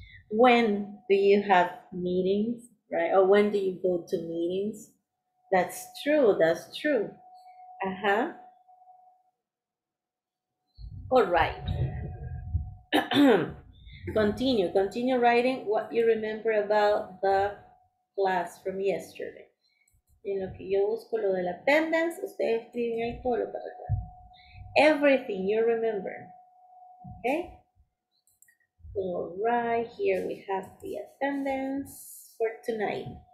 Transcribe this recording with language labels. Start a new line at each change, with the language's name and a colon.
English: When do you have meetings, right? Or when do you go to meetings? That's true, that's true. All right. continue writing what you remember about the class from yesterday.
Spanish: En lo que yo busco lo de la attendance, ustedes escriben ahí todo lo que recuerdan.
English: Everything you remember, okay? All right, here we have the attendance for tonight.